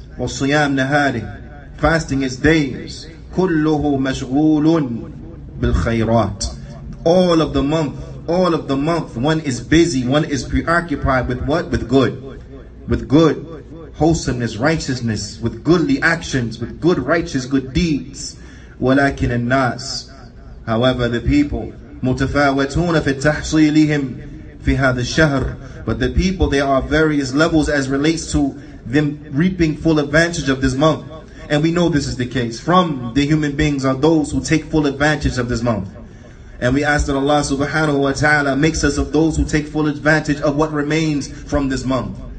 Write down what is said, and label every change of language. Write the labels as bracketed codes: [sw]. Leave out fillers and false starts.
[ar] وصيام نهاره. [en] Fasting its days. [ar] كله مشغول بالخيرات. [en] All of the month, all of the month, one is busy, one is preoccupied with what? With good. With good wholesomeness, righteousness, with goodly actions, with good righteous good deeds. [ar] ولكن الناس. [en] However, the people. [ar] متفاوتون في تحصيلهم في هذا الشهر. [en] But the people, there are various levels as relates to them reaping full advantage of this month. And we know this is the case. From the human beings are those who take full advantage of this month. And we ask that Allah subhanahu wa ta'ala makes us of those who take full advantage of what remains from this month.